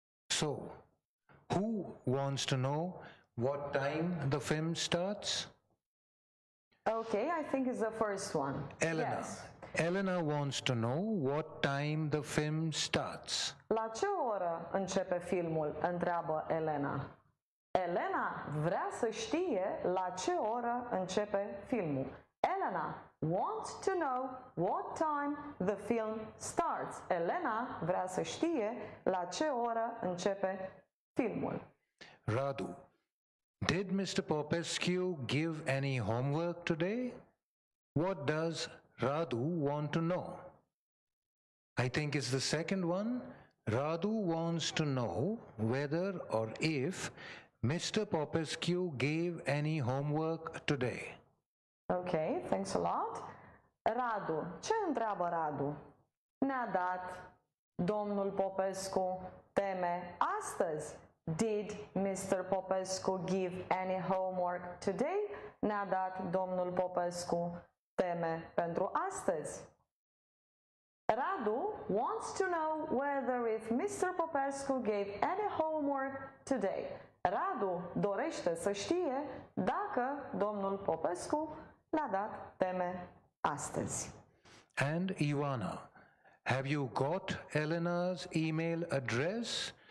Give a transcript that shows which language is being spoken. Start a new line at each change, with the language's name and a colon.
English: So, who wants to know what time the film starts? Okay, I think it's the first one. Elena. Yes. Elena wants to know what time the film starts.
Romanian: La ce oră începe filmul? Întreabă Elena. Elena vrea să știe la ce oră începe filmul.
English: Elena wants to know what time the film starts.
Romanian: Elena vrea să știe la ce oră începe filmul.
English: Radu, did Mr. Popescu give any homework today? What does Radu want to know? I think it's the second one. Radu wants to know whether or if Mr. Popescu gave any homework today. Okay, thanks a lot. Radu,
Romanian: ce întreabă Radu? Ne-a dat domnul Popescu teme astăzi?
English: Did Mr. Popescu give any homework today?
Romanian: Ne-a dat domnul Popescu teme pentru astăzi?
English: Radu wants to know whether if Mr. Popescu gave any homework today.
Romanian: Radu dorește să știe dacă domnul Popescu l-a dat teme astăzi.
English: And Ioana, have you got Elena's email address?